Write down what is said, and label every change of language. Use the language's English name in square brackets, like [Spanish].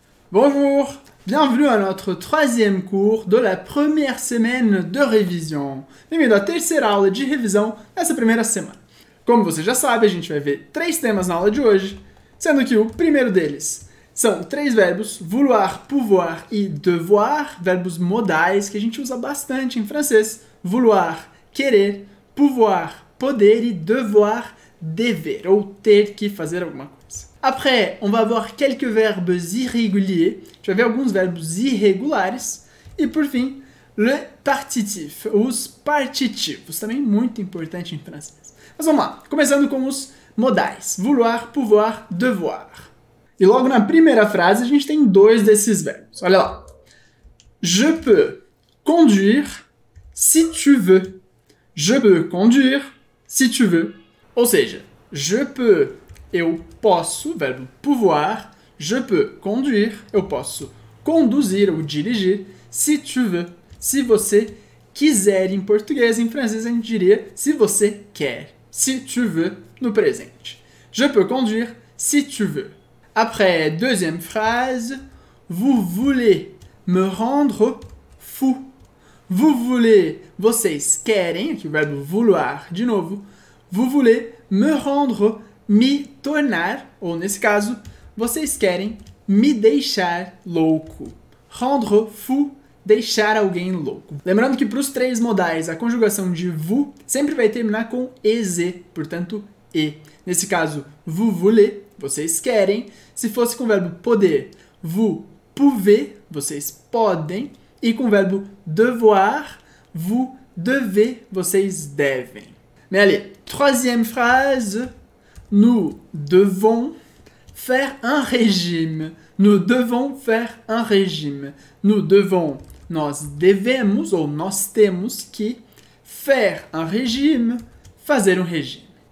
[French] Bonjour, bienvenue à notre troisième cours de la première semaine de révision. [Portuguese] Bem-vindo à terceira aula de revisão dessa primeira semana. Como você já sabe, a gente vai ver três temas na aula de hoje, sendo que o primeiro deles são três verbos, vouloir, pouvoir e devoir, verbos modais que a gente usa bastante em francês, vouloir, querer, pouvoir, poder e devoir, dever, ou ter que fazer alguma coisa. [French] Après, on va voir quelques verbes irréguliers. Tu vas voir [Portuguese] alguns verbes irregulares. [French] Et pour fin, le partitif. [Portuguese] Os partitivos. Também muito importante em francês. Mas vamos lá. Começando com os modais. Vouloir, pouvoir, devoir. E logo na primeira frase, a gente tem dois desses verbos. Olha lá. [French] Je peux conduire si tu veux. Je peux conduire si tu veux. [Portuguese] Ou seja, [French] je peux... [Portuguese] Eu posso, verbo pouvoir, [French] je peux conduire, [Portuguese] eu posso conduzir ou dirigir, [French] si tu veux, [Portuguese] se você quiser em português, em francês a gente diria se você quer, si tu veux, no presente. [French] Je peux conduire, si tu veux. Après, deuxième phrase, vous voulez me rendre fou. [Portuguese] Vous voulez, vocês querem, aqui o verbo vouloir de novo, [French] vous voulez me rendre fou. [Portuguese] Me tornar, ou nesse caso, vocês querem me deixar louco. [French] Rendre fou, [Portuguese] deixar alguém louco. Lembrando que para os três modais, a conjugação de vous sempre vai terminar com EZ, portanto, E. Nesse caso, [French] vous voulez, [Portuguese] vocês querem. Se fosse com o verbo poder, [French] vous pouvez, [Portuguese] vocês podem. E com o verbo devoir, [French] vous devez, [Portuguese] vocês devem. [French] Mais allez, troisième phrase... Nous devons faire un régime. Nous devons faire un régime. [Portuguese] Nous devons, nós devemos ou nós temos que [French] faire un régime, [Portuguese] fazer régime.